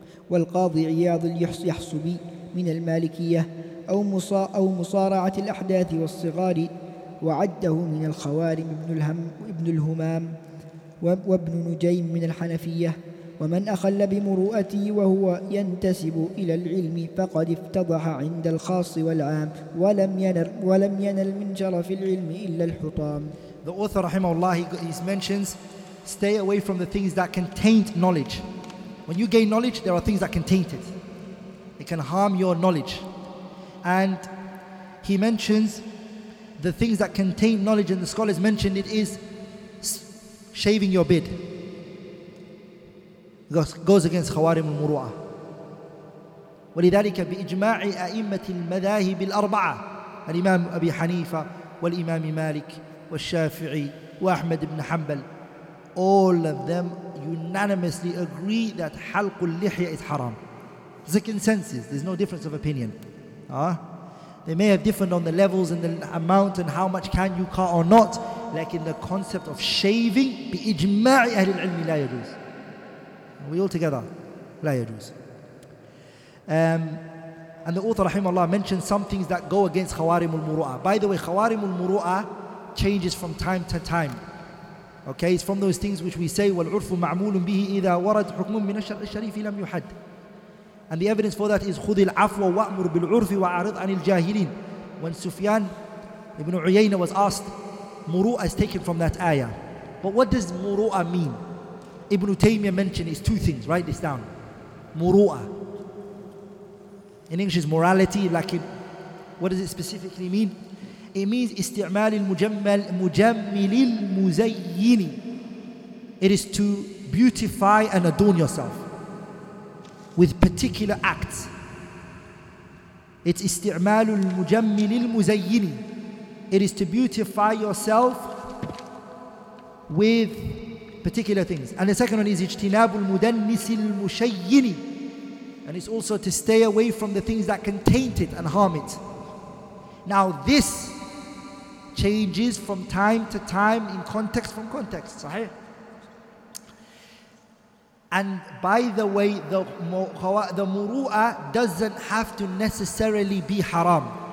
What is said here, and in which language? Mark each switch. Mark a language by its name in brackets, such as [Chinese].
[Arabic] والقاضي عياض اليحصبي من المالكية أو مصارعة الأحداث والصغار وعده من الخوارم ابن الهمام وابن نجيم من الحنفية ومن أخل بمرؤتي وهو ينتسب إلى العلم فقد افتضح عند الخاص والعام ولم ينل من شرف العلم إلا الحطام. [English] The author رحمه الله, he mentions, stay away from the things that can taint knowledge. When you gain knowledge, there are things that can taint it. It can harm your knowledge. And he mentions the things that can taint knowledge, and the scholars mentioned it is shaving your beard. It goes against khawarim al-muru'ah. [Arabic] وَلِذَلِكَ بِإِجْمَاعِ أَئِمَّةِ الْمَذَاهِبِ الْأَرْبَعَةِ الإمام أبي حنيفة والإمام مالك والشافعي وأحمد بن حنبل. [English] All of them unanimously agree that [Arabic] حلق اللحية [English] is haram. It's a consensus. There's no difference of opinion. They may have differed on the levels and the amount and how much can you cut or not. Like in the concept of shaving, [Arabic] بِإِجْمَاعِ أَهْلِ الْعِلْمِ لَا يَجُوزُ. [English] We all together, [Arabic] لا يجوز. [English] And the author rahimahullah mentioned some things that go against خوارم المروءة. By the way, خوارم المروءة changes from time to time. Okay, it's from those things which we say [Arabic] والعرف معمول به إذا ورد حكم من الشرع الشريف لم يحد. [English] And the evidence for that is [Arabic] خذ العفو وأمر بالعرف وأعرض عن الجاهلين. [English] When Sufyan ibn Uyayna was asked, مروءة is taken from that ayah. But what does مروءة mean? Ibn Taymiyyah mentioned is two things. Write this down. Muru'a. In English is morality. Like, what does it specifically mean? It means [Arabic] isti'mal al-mujammil al-muzayyini. [English] It is to beautify and adorn yourself with particular acts. It's [Arabic] isti'mal al-mujammil al-muzayyini. [English] It is to beautify yourself with particular things. And the second one is [Arabic] اجتناب المدنس المشيني. [English] And it's also to stay away from the things that can taint it and harm it. Now this changes from time to time, in context from context. Sahih. And by the way, the muru'a doesn't have to necessarily be haram.